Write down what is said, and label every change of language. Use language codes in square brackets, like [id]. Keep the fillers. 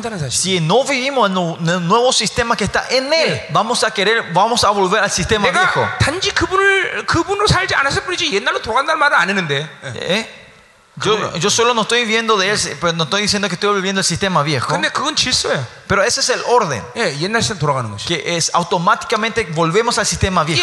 [es] Si sí, no vivimos en un nuevo sistema, sistema que está en él. Sí. Vamos a querer, vamos a volver al sistema viejo. [ko] 그분을, 그분으로 살지 않았을 뿐이지 옛날로 돌아간다는 말을 안 했는데. 네. 네. [es] Yo, yo, solo no estoy viviendo de él, pero no estoy diciendo que estoy viviendo el sistema viejo. Pero ese es el orden. Yeah, que es automáticamente volvemos al sistema viejo.